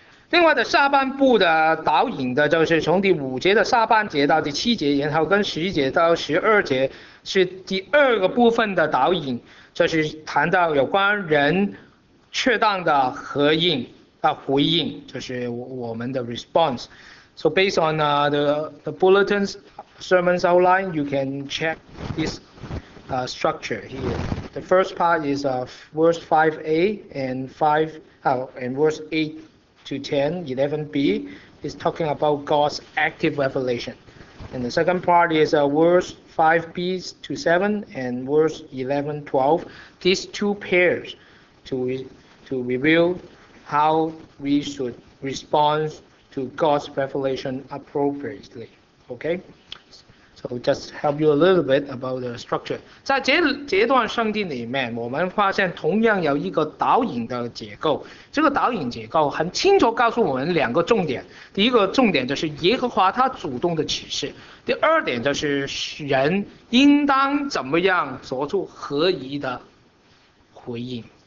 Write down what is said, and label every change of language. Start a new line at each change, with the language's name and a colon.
Chinese: 另外的下半部的导引的就是从第五节的下半节到第七节，然后跟十一节到十二节是第二个部分的导引，就是谈到有关人确当的合应啊回应，就是我们的 response。
English: So based on the bulletins sermons outline, you can check this structure here. The first part is verse 5a and verse 8 to 10, 11b is talking about God's active revelation. And the second part is verse 5b to 7 and verse 11, 12. These two pairs to reveal how we should respond to God's revelation appropriately. Okay? So just help you a little bit about the structure.
Chinese: 在这段圣经里面，我们发现同样有一个导引的结构。这个导引结构很清楚告诉我们两个重点。第一个重点就是耶和华他主动的启示。第二点就是人应当怎么样做出合宜的回应。